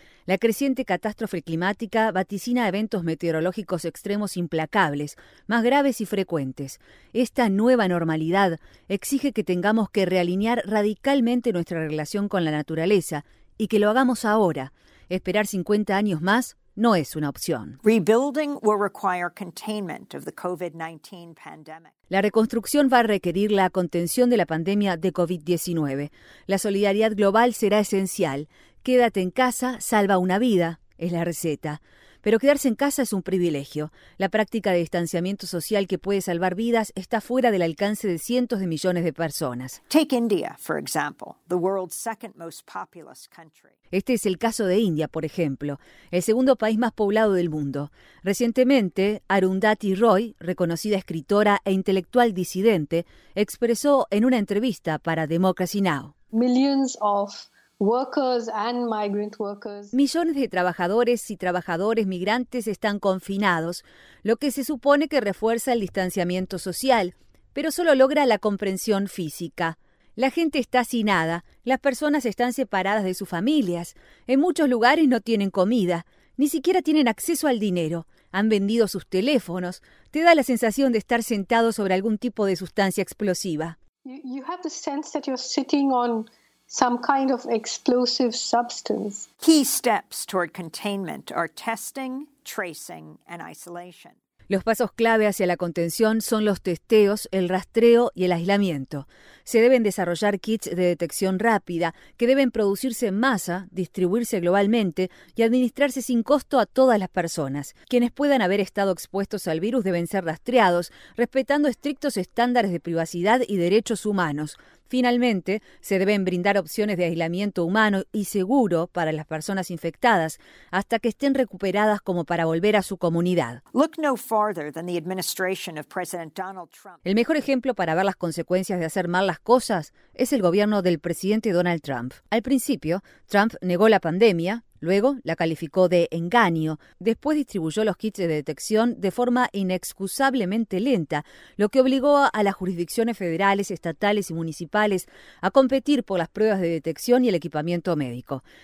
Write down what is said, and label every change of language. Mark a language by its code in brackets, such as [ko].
[es] La creciente catástrofe climática vaticina eventos meteorológicos extremos implacables, más graves y frecuentes. Esta nueva normalidad exige que tengamos que realinear radicalmente nuestra relación con la naturaleza y que lo hagamos ahora. Esperar 50 años más no es una opción. [en] Rebuilding will require containment of the COVID-19 pandemic. [es] La reconstrucción va a requerir la contención de la pandemia de COVID-19. La solidaridad global será esencial. Quédate en casa, salva una vida, es la receta. Pero quedarse en casa es un privilegio. La práctica de distanciamiento social que puede salvar vidas está fuera del alcance de cientos de millones de personas. [en] Take India, for example, the world's second most populous country. [es] Este es el caso de India, por ejemplo, el segundo país más poblado del mundo. Recientemente, Arundhati Roy, reconocida escritora e intelectual disidente, expresó en una entrevista para Democracy Now. [en] Millions of workers and migrant workers. [es] Millones de trabajadores y trabajadores migrantes están confinados, lo que se supone que refuerza el distanciamiento social, pero solo logra la comprensión física. La gente está hacinada, las personas están separadas de sus familias, en muchos lugares no tienen comida, ni siquiera tienen acceso al dinero, han vendido sus teléfonos, te da la sensación de estar sentado sobre algún tipo de sustancia explosiva. [en] You have the sense that you're sitting on some kind of explosive substance. Key steps toward containment are testing, tracing, and isolation. [es] Los pasos clave hacia la contención son los testeos, el rastreo y el aislamiento. Se deben desarrollar kits de detección rápida que deben producirse en masa, distribuirse globalmente y administrarse sin costo a todas las personas. Quienes puedan haber estado expuestos al virus deben ser rastreados, respetando estrictos estándares de privacidad y derechos humanos. Finalmente, se deben brindar opciones de aislamiento humano y seguro para las personas infectadas hasta que estén recuperadas como para volver a su comunidad. [en] Look no farther than the administration of President Donald Trump. [es] El mejor ejemplo para ver las consecuencias de hacer mal las cosas es el gobierno del presidente Donald Trump. Al principio, Trump negó la pandemia. Luego la calificó de engaño. Después distribuyó los kits de detección de forma inexcusablemente lenta, lo que obligó a las jurisdicciones federales, estatales y municipales a competir por las pruebas de detección y el equipamiento médico.